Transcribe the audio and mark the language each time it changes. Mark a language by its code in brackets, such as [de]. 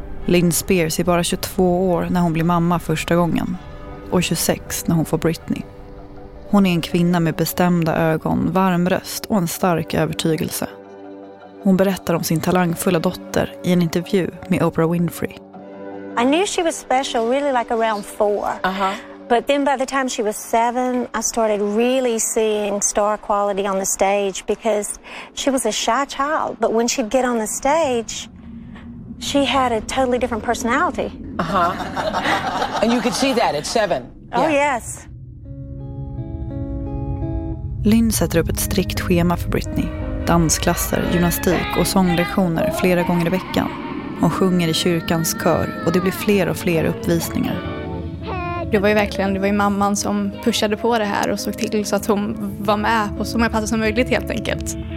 [sv] Lynn Spears är bara 22 år när hon blir mamma första gången och 26 när hon får Britney. Hon är en kvinna med bestämda ögon, varm röst och en stark övertygelse. Hon berättar om sin talangfulla dotter i en intervju med Oprah Winfrey. [en] I knew she was special really like around 4. But then by the time she was 7, I started really seeing star quality on the stage because she was a shy child, but when she'd get on the stage, she had a totally different personality. Uh-huh. And you could see that at 7. Yeah. Oh yes. [sv] Lynn sätter upp ett strikt schema för Britney. Dansklasser, gymnastik och sånglektioner flera gånger i veckan. Hon sjunger i kyrkans kör och det blir fler och fler uppvisningar. Det var ju mamman som pushade på det här och såg till så att hon var med på så många platser som möjligt helt enkelt.